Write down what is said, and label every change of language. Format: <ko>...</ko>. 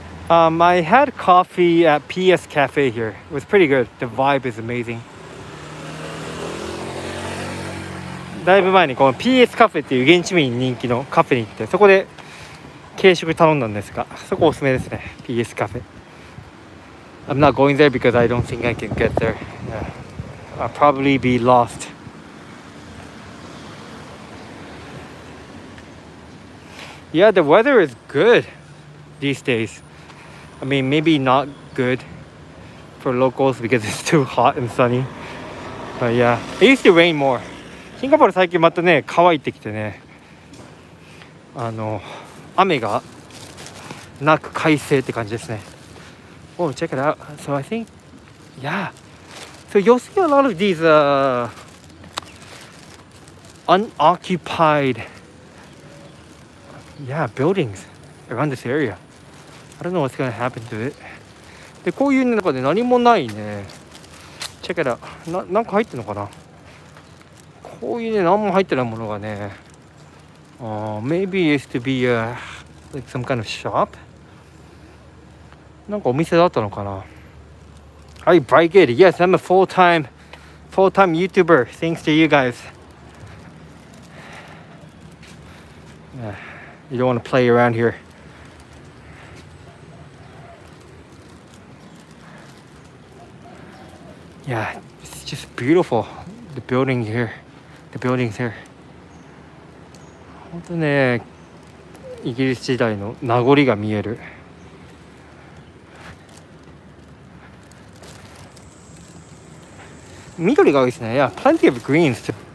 <en>I had coffee at PS Cafe here. It was pretty good. The vibe is amazing.</en> <ja>だいぶ前にこの PS Cafe っていう現地民人気のカフェに行って、そこで軽食頼んだんですが、そこおすすめですね。</ja> <en>PS Cafe. I'm not going there because I don't think I can get there. I'll probably be lost. Yeah, the weather is good these days. I mean, maybe not good for locals because it's too hot and sunny. But yeah, it used to rain more.</en> <ja>シンガポール最近またね、乾いてきてね。雨がなく快晴って感じですね。</ja> <en>Oh, check it out. So I think, yeah. So you'll see a lot of these unoccupied, yeah, buildings around this area. I don't know what's gonna happen to it.</en> <ja>で、こういう中で何もないね。チェックだ。なんか入ってるのかな。こういうね、何も入ってないものがね。</ja> <en>Maybe it's to be like some kind of shop.</en> <ja>なんかお店だったのかな。</ja> <en>Are you very good? Yes, I'm a full-time YouTuber, thanks to you guys. You don't want to play around here. Yeah, it's just beautiful, the building here, the buildings here.</en> <ja>本当ね、イギリス時代の名残が見える。緑が多いですね。</ja> <en>Yeah, plenty of greens.</en>